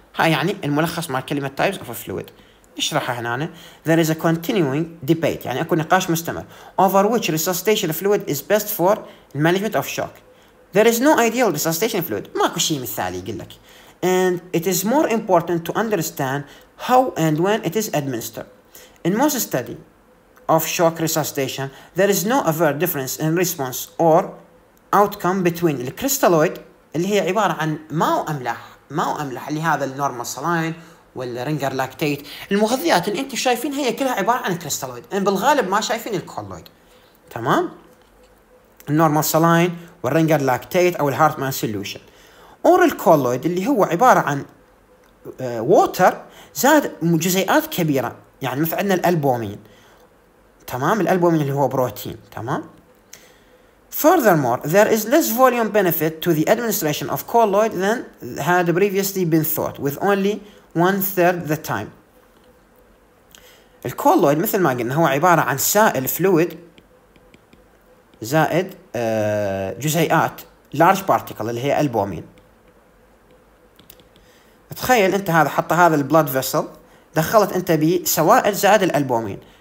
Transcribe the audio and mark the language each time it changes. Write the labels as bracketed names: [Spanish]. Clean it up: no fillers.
[Arabic] هاي يعني الملخص مع كلمة [English] types of fluid. [Arabic] اشرح هنا [English] there is a continuing debate، [Arabic] يعني اكو نقاش مستمر [English] over which resuscitation fluid is best for management of shock. There is no ideal resuscitation fluid. [Arabic] ماكو شيء مثالي يقول لك. [English] And it is more important to understand how and when it is administered. In most study of shock resuscitation, there is no overt difference in response or outcome between the crystalloid, [Arabic] اللي هي عبارة عن ماو أملح اللي هذا النورمال سلاين والرينجر لاكتيت، المغذيات اللي انت شايفين هي كلها عبارة عن كريستالويد، يعني بالغالب ما شايفين الكولويد. تمام؟ النورمال سلاين والرينجر لاكتيت او الهارتمان سوليوشن. اور الكولويد اللي هو عبارة عن ووتر زاد جزيئات كبيرة، يعني مثل عندنا الالبومين. [English] تمام؟ [Arabic] الالبومين اللي هو بروتين، تمام؟ [English] Furthermore, there is less volume benefit to the administration of colloid than had previously been thought, with only one third the time. [Arabic] الكولويد مثل ما قلنا هو عبارة عن سائل fluid زائد جزيئات large particle اللي هي البومين. تخيل انت هذا حط هذا blood vessel، دخلت انت به سوائل زائد الالبومين.